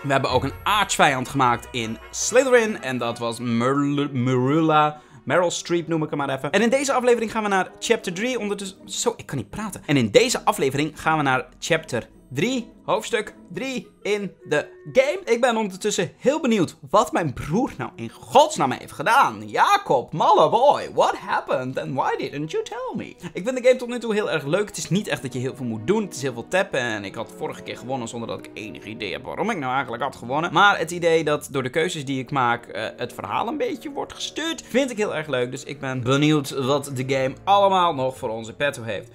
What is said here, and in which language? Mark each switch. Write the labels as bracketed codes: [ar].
[nl] We hebben ook een aartsvijand gemaakt in Slytherin en dat was Meryl Streep noem ik hem maar even. En in deze aflevering gaan we naar chapter 3 ondertussen... Zo, ik kan niet praten. En in deze aflevering gaan we naar chapter 3, hoofdstuk 3 in de game. Ik ben ondertussen heel benieuwd wat mijn broer nou in godsnaam heeft gedaan. [en] Jacob, malle boy, what happened and why didn't you tell me? [nl] Ik vind de game tot nu toe heel erg leuk. Het is niet echt dat je heel veel moet doen. Het is heel veel tappen en ik had vorige keer gewonnen zonder dat ik enig idee heb waarom ik nou eigenlijk had gewonnen. Maar het idee dat door de keuzes die ik maak het verhaal een beetje wordt gestuurd, vind ik heel erg leuk. Dus ik ben benieuwd wat de game allemaal nog voor onze petto heeft.